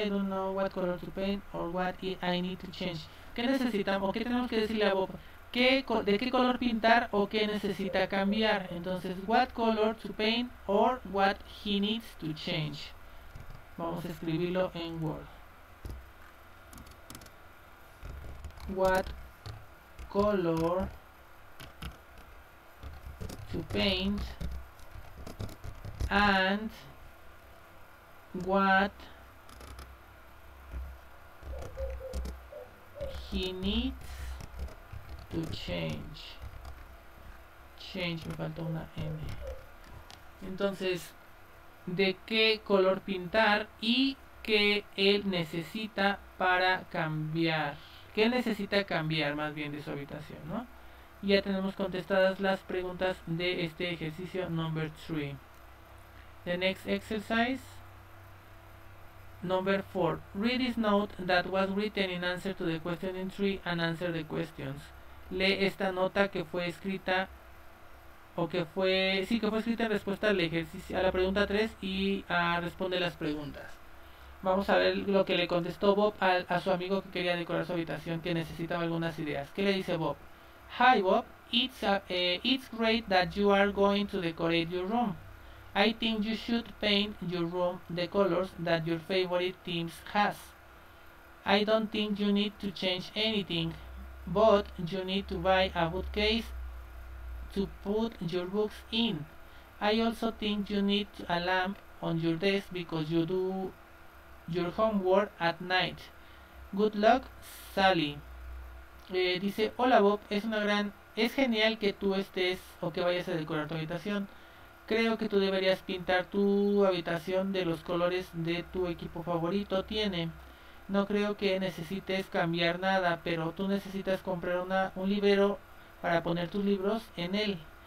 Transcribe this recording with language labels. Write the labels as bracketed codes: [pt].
[en] I don't know what color to paint or what I need to change. [es] ¿Qué necesitamos? ¿Qué tenemos que decirle a Bob? ¿De qué color pintar o qué necesita cambiar? [en] Entonces, what color to paint or what he needs to change. [es] Vamos a escribirlo en Word. [en] What color to paint and what he needs to change. [es] Change, me faltó una M. Entonces, ¿de qué color pintar y qué él necesita para cambiar? ¿Qué necesita cambiar más bien de su habitación, no? Ya tenemos contestadas las preguntas de este ejercicio number 3. [en] The next exercise. Number 4. Read this note that was written in answer to the question in 3 and answer the questions. [es] Lee esta nota que fue escrita que fue escrita en respuesta al ejercicio, a la pregunta 3, y responde las preguntas. Vamos a ver lo que le contestó Bob a su amigo que quería decorar su habitación, que necesitaba algunas ideas. ¿Qué le dice Bob? [en] Hi Bob, it's great that you are going to decorate your room. I think you should paint your room the colors that your favorite teams has. I don't think you need to change anything, but you need to buy a bookcase to put your books in. I also think you need a lamp on your desk because you do your homework at night. Good luck, Sally. [es] Dice, hola Bob, es genial que tú estés o que vayas a decorar tu habitación. Creo que tú deberías pintar tu habitación de los colores de tu equipo favorito tiene. No creo que necesites cambiar nada, pero tú necesitas comprar un librero para poner tus libros en él.